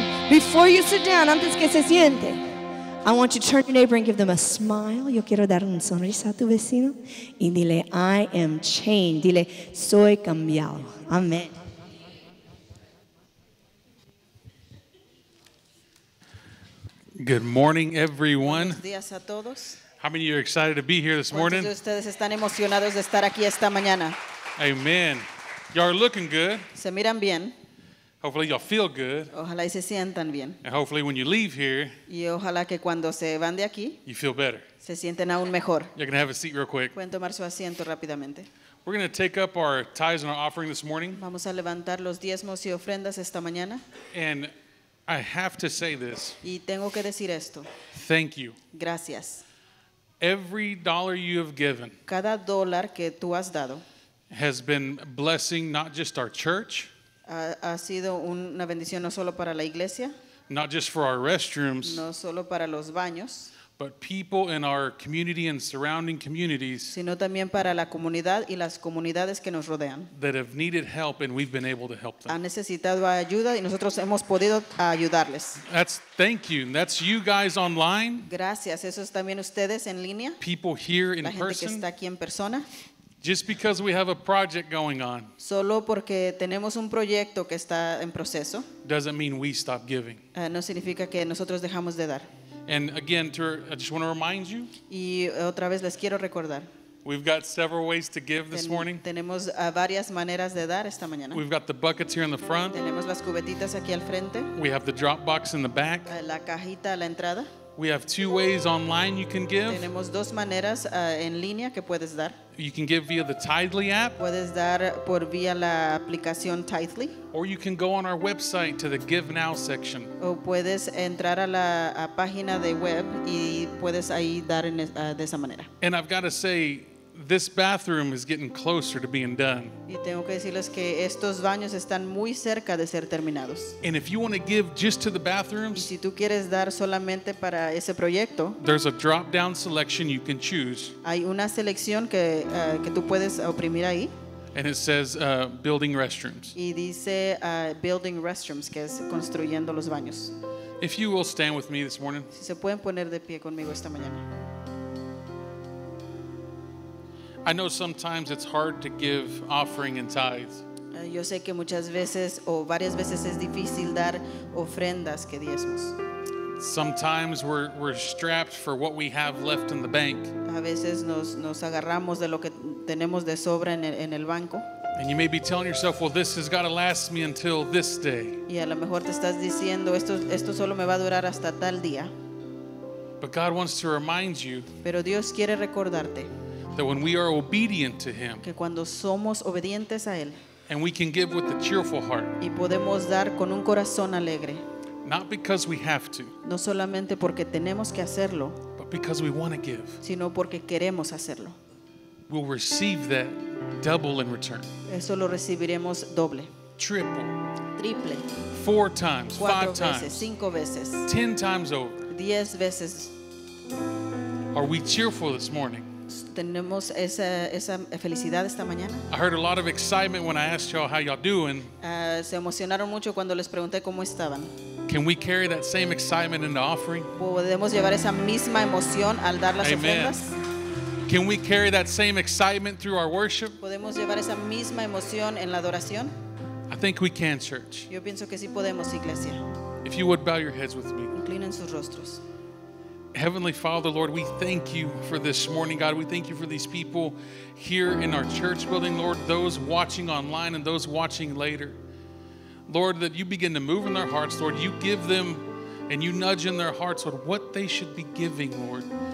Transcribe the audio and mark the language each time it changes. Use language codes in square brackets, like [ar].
[en] Before you sit down, [es] antes que se siente, [en] I want you to turn to your neighbor and give them a smile. [es] Yo quiero dar un sonrisa a tu vecino. Y dile, [en] I am changed. [es] Dile, soy cambiado. Amen. [en] Good morning, everyone. [es] Buenos días a todos. [en] How many of you are excited to be here this morning? [es] ¿Cuántos de ustedes están emocionados de estar aquí esta mañana? [en] Amen. Y'all are looking good. [es] Se miran bien. [en] Hopefully y'all feel good. [es] Ojalá y se sientan bien. [en] And hopefully when you leave here, [es] y ojalá que cuando se van de aquí, [en] you feel better. [es] Se sienten aún mejor. [en] You can have a seat real quick. [es] Pueden tomar su asiento rápidamente. [en] We're going to take up our tithes and our offering this morning. [es] Vamos a levantar los diezmos y ofrendas esta mañana. [en] And I have to say this. [es] Y tengo que decir esto. [en] Thank you. [es] Gracias. [en] Every dollar you have given, [es] cada dólar que tú has dado, [en] has been blessing not just our church, [es] ha sido una bendición no solo para la iglesia, [en] not just for our restrooms, [es] no solo para los baños, [en] but people in our community and surrounding communities, [es] sino también para la comunidad y las comunidades que nos rodean, [en] that have needed help and we've been able to help them. [es] Han necesitado ayuda y nosotros hemos podido ayudarles. [en] That's thank you. That's you guys online. [es] Gracias. Eso es también ustedes en línea. [en] People here in person. [es] La gente que está aquí en persona. [en] Just because we have a project going on, [es] solo porque tenemos un proyecto que está en proceso, [en] doesn't mean we stop giving. [es] No significa que nosotros dejamos de dar. [en] And again, I just want to remind you. [es] Y otra vez les quiero recordar. [en] We've got several ways to give this morning. [es] Tenemos varias maneras de dar esta mañana. [en] We've got the buckets here in the front. [es] Tenemos las cubetitas aquí al frente. [en] We have the drop box in the back. [es] La cajita a la entrada. [en] We have two ways online you can give. [es] Tenemos dos maneras en línea que puedes dar. [en] You can give via the Tithely app. [es] Puedes dar por vía la aplicación Tithely. [en] Or you can go on our website to the Give Now section. [es] O puedes entrar a la página de web y puedes ahí dar de esa manera. [en] And I've got to say, this bathroom is getting closer to being done. [es] Y tengo que decirles que estos baños están muy cerca de ser terminados. [en] And if you want to give just to the bathrooms, [es] y si tú quieres dar solamente para ese proyecto, [en] there's a drop-down selection you can choose. [es] Hay una selección que tú puedes oprimir ahí. [en] And it says building restrooms. [es] Y dice building restrooms, que es construyendo los baños. [en] If you will stand with me this morning. [es] Si se pueden poner de pie conmigo esta mañana. [en] I know sometimes it's hard to give offering and tithes. [es] Yo sé que muchas veces o varias veces es difícil dar ofrendas que diezmos. [en] Sometimes we're strapped for what we have left in the bank. [es] A veces nos agarramos de lo que tenemos de sobra en el banco. [en] And you may be telling yourself, well, this has got to last me until this day. [es] Y a lo mejor te estás diciendo, esto solo me va a durar hasta tal día. [en] But God wants to remind you, [es] pero Dios quiere recordarte, [en] that when we are obedient to Him, [es] que cuando somos obedientes a Él, [en] and we can give with a cheerful heart, [es] y podemos dar con un corazón alegre, [en] not because we have to, [es] no solamente porque tenemos que hacerlo, [en] but because we want to give, [es] sino porque queremos hacerlo, [en] we'll receive that double in return. [es] Eso lo recibiremos doble. [en] Triple. [es] Triple. [en] Four times. [es] Cuatro veces, [en] times. [es] Cinco veces. [en] Ten times over. [es] Diez veces. [en] Are we cheerful this morning? [es] ¿Tenemos esa felicidad esta mañana? [en] I heard a lot of excitement when I asked y'all how y'all doing. [es] Se emocionaron mucho cuando les pregunté cómo estaban. [en] Can we carry that same excitement in the offering? [es] ¿Podemos llevar esa misma emoción al dar las ofrendas? [en] Can we carry that same excitement through our worship? [es] ¿Podemos llevar esa misma emoción en la adoración? [en] I think we can, church. [es] Yo pienso que sí podemos, iglesia. [en] If you would bow your heads with me. [es] Inclinen sus rostros. [en] Heavenly Father, Lord, we thank you for this morning, God. We thank you for these people here in our church building, Lord, those watching online and those watching later. Lord, that you begin to move in their hearts, Lord. You give them and you nudge in their hearts, Lord, what they should be giving, Lord.